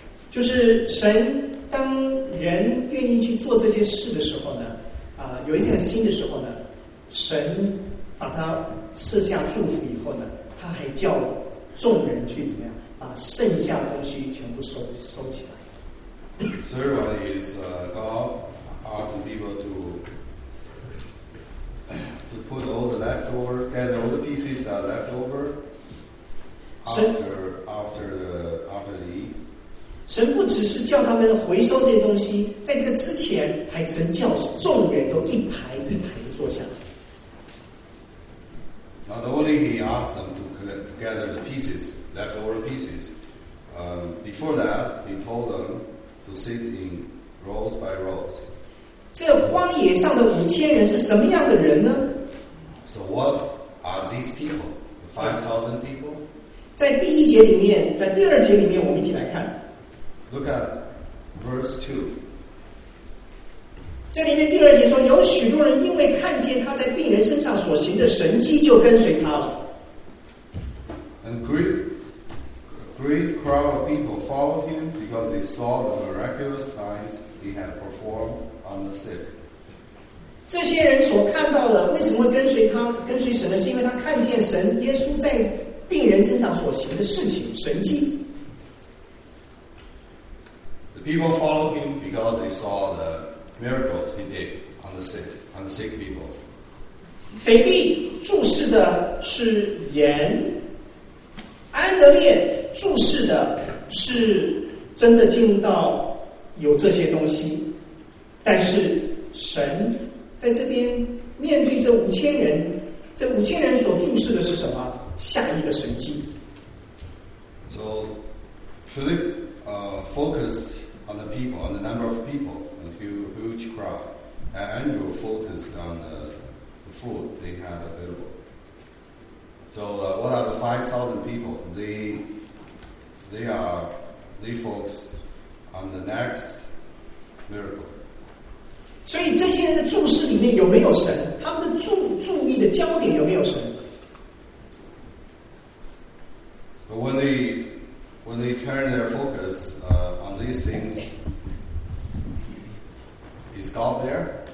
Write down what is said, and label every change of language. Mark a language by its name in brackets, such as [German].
[Chinese] 就是神当人愿意去做这些事的时候呢，有一件心的时候呢，神把他赐下祝福以后呢，他还叫众人去怎么样，把剩下的东西全部收起来。 [English] Third one is God asking people to put all the leftover, gather all the pieces that are left over after the eat. [Chinese] 神不只是叫他们回收这些东西，在这个之前，还曾叫众人都一排一排的坐下。 [English] Not only he asked them to collect, gather the pieces, leftover pieces. Before that, he told them. Sitting rows by rows. [Chinese] 这荒野上的五千人是什么样的人呢？ [English] So what are these people? The 5,000 people? [Chinese] 在第一节里面，在第二节里面，我们一起来看。 [English] Look at verse 2. [Chinese] 这里面第二节说，有许多人因为看见他在病人身上所行的神迹，就跟随他了。 [English] And great crowd of people followed him because they saw the miraculous signs he had performed on the sick. [Chinese] 这些人所看到的，为什么会跟随他、跟随神呢？是因为他看见神耶稣在病人身上所行的事情、神迹。 [English] The people followed him because they saw the miracles he did on the sick, people. [Chinese] 腓力注视的是盐，安德烈。注视的是真的进入到有这些东西，但是神在这边面对这五千人，这五千人所注视的是什么？下一个神迹。 [English] So Philip focused on the people, on the number of people, on the huge crowd, and Andrew focused on the food they had available. So what are the 5,000 people? They focus on the next miracle. [Chinese] 所以这些人的注视里面有没有神？他们的注意的焦点有没有神 [English] ？But when they turn their focus on these things, is God there?